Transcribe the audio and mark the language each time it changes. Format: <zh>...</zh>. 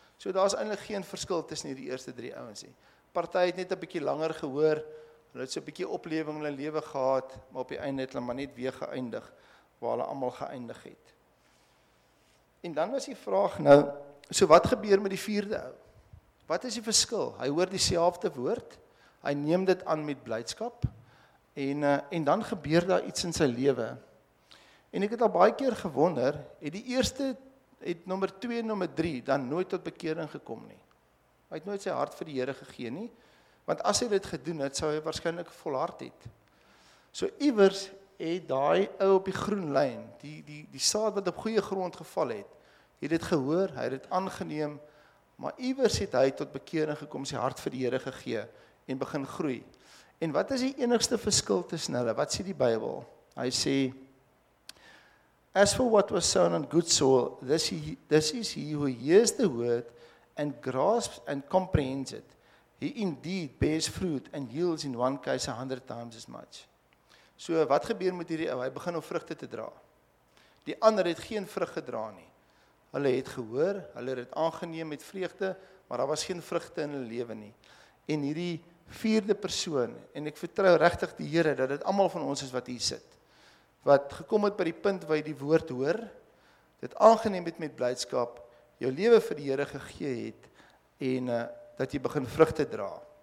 <af>So daar is eindelijk geen verskil tussen die eerste drie ouens nie. Party het net 'n bietjie langer gehoor, hulle het so 'n bietjie opleving in hulle lewe gehad, maar op die einde het hulle maar net weer geëindig, waar hulle allemaal geëindig het. En dan was die vraag nou, so wat gebeur met die vierde ou? Wat is die verskil? Hy hoor dieselfde woord, hy neem dit aan met blydskap, en dan gebeur daar iets in sy lewe. En ek het al baie keer gewonder, het die eerste, het nommer 2 en nommer 3 dan nooit tot bekering gekom nie. Hy het nooit sy hart vir die Here gegee nie, want as hy dit gedoen het, sou hy waarskynlik volhard het. So iewers het daai ou op die groen lyn, die saad wat op goeie grond geval het, het dit gehoor, hy het dit aangeneem, maar iewers het hy tot bekering gekom, sy hart vir die Here gegee en begin groei. En wat is die enigste verskil tussen hulle? Wat sê die Bybel? Hy sê,</af> <en>as for what was sown on good soil, this is he who hears the word and grasps and comprehends it. He indeed bears fruit and yields in one case 100 times as much.</en> <af>So wat gebeur met hierdie ou? Hy begin om vrugte te dra. Die ander het geen vrug gedra nie. Hulle het gehoor, hulle het aangeneem met vreugde, maar daar was geen vrugte in hulle lewe nie. En hierdie vierde persoon, en ek vertrou regtig die Here dat dit allemaal van ons is wat hier sit, wat gekom het by die punt waar jy die woord hoor, dit aangeneem het met blydskap, jou lewe vir die Here gegee het, en dat jy begin vrugte dra.</af>